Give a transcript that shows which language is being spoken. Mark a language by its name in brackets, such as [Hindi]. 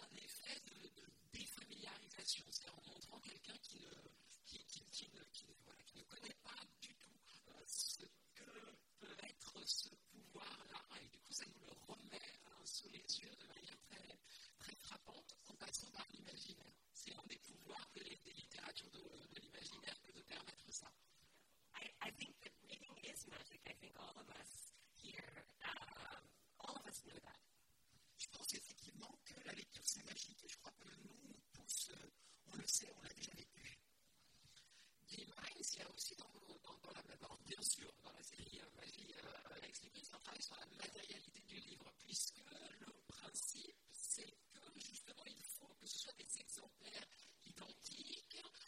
[French] situation, c'est en montrant quelqu'un qui ne connaît pas du tout ce que peut être ce pouvoir-là. Et du coup, ça nous le remet sous les yeux de manière très, très frappante en passant par l'imaginaire. C'est un des pouvoirs des littératures de l'imaginaire que de permettre ça. [English] I think that reading is magic. I think all of us here, all of us know that. [French] Je pense effectivement que la lecture c'est magique et je crois que nous tous, on le sait, on l'a déjà vécu. Divine, il y a aussi dans la même ordre, bien sûr, dans la série Magie, l'explication travaille sur la matérialité du livre, puisque le principe c'est que justement il faut que ce soit des exemplaires identiques.